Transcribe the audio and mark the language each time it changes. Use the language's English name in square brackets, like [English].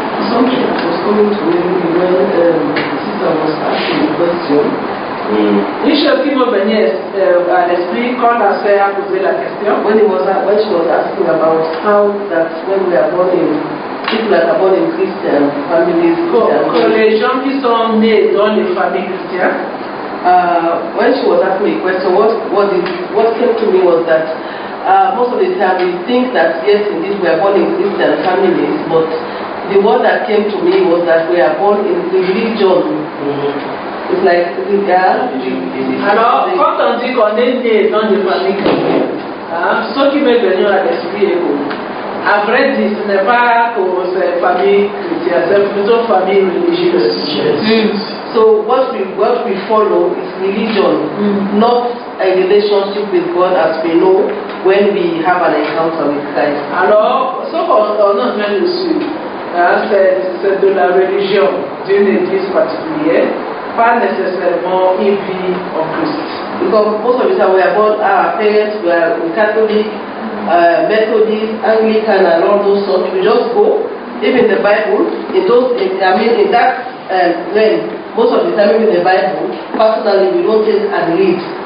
[English] Something that was coming to me when sister was asking the question. [French] Une chose qui me venait à l'esprit quand la sœur a posé la question. [English] When she was asking about how that when we are born in people that are born in Christian families. [French] Que les gens qui sont nés dans les familles chrétiennes. [English] When she was asking me a question, what came to me was that. Most of the time we think that yes, indeed we are born in Christian families, but the word that came to me was that we are born in religion. Mm-hmm. It's like the girl. [French] Alors, quand on dit qu'on est né dans une famille chrétienne, ce qui m'est venu à l'esprit est que, à vrai dire, ce n'est pas pour une famille chrétienne, c'est plutôt une famille religieuse. [English] Yes. Mm. So, what we follow is religion, not a relationship with God as we know when we have an encounter with Christ. [French] Alors, ce qu'on a fait dessus, c'est de la religion d'une église particulière, pas nécessairement une vie en Christ. [English] Because most of the time we are born, our parents were Catholic, Methodist, Anglican, and all those sorts. We just go, even the Bible, most of the time, even the Bible, personally, we don't take and read.